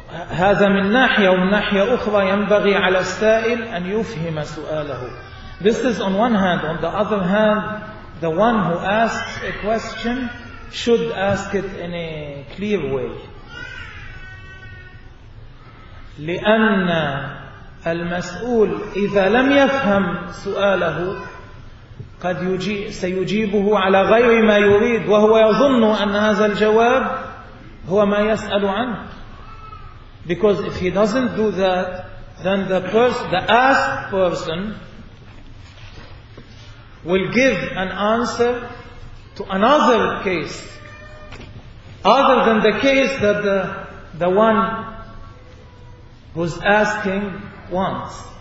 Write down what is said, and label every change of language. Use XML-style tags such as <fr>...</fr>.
<ar>هذا من ناحية ومن ناحية أخرى ينبغي على السائل أن يفهم سؤاله.</ar> <en>This is on one hand. On the other hand, the one who asks a question should ask it in a clear way.</en> <ar>لأن المسؤول إذا لم يفهم سؤاله قد سيجيبه على غير ما يريد وهو يظن أن هذا الجواب هو ما يسأل عنه.</ar> <en>Because if he doesn't do that, then the asked person will give an answer to another case other than the case that the one who's asking wants.</en>